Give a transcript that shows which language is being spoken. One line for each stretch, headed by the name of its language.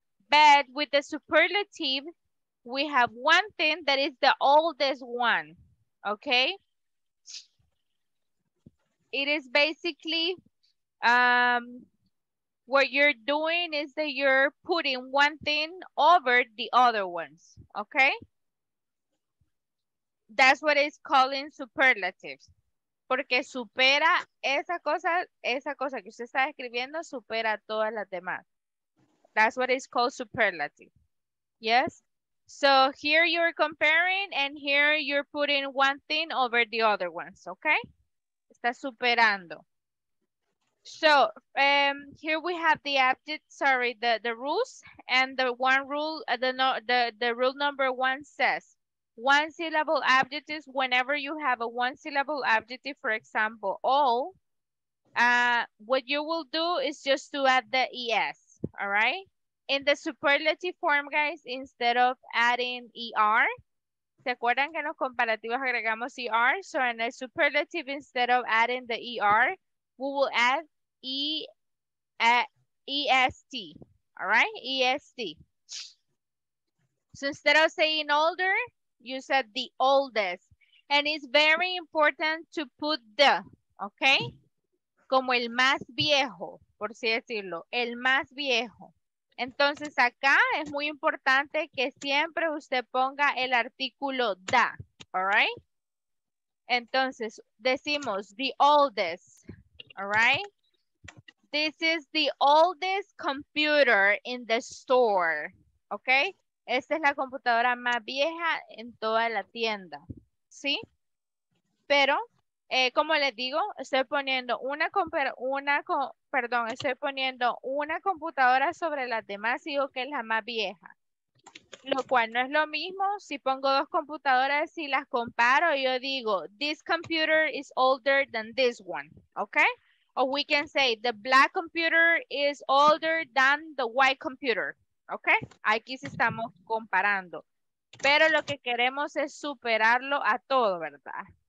English: But with the superlative, we have one thing that is the oldest one, okay? It is basically what you're doing is that you're putting one thing over the other ones, okay? That's what it's calling superlatives.
Spanish: Porque supera esa cosa que usted está escribiendo, supera todas las demás.
English: That's what is called superlative. Yes? So here you're comparing and here you're putting one thing over the other ones, okay?
Spanish: Está superando.
English: So here we have the adjective, sorry, the rules. And the one rule, the rule number one says, one syllable adjectives, whenever you have a one syllable adjective, for example, all, what you will do is just to add the ES, all right? In the superlative form, guys, instead of adding ER,
Spanish: ¿se acuerdan que en los comparativos agregamos ER?
English: So in the superlative, instead of adding the ER, we will add EST, all right? EST. So instead of saying older, you said the oldest, and it's very important to put the, okay?
Spanish: Como el más viejo, por así decirlo, el más viejo. Entonces acá es muy importante que siempre usted ponga el artículo the, all right? Entonces decimos
English: the oldest, all right? This is the oldest computer in the store, okay?
Spanish: Esta es la computadora más vieja en toda la tienda, ¿sí? Pero, como les digo, estoy poniendo una computadora sobre las demás y digo que es la más vieja. Lo cual no es lo mismo si pongo dos computadoras y las comparo, yo digo,
English: this computer is older than this one,
Spanish: ¿ok?
English: O we can say, the black computer is older than the white computer.
Spanish: Ok, aquí sí estamos comparando, pero lo que queremos es superarlo a todo, ¿verdad?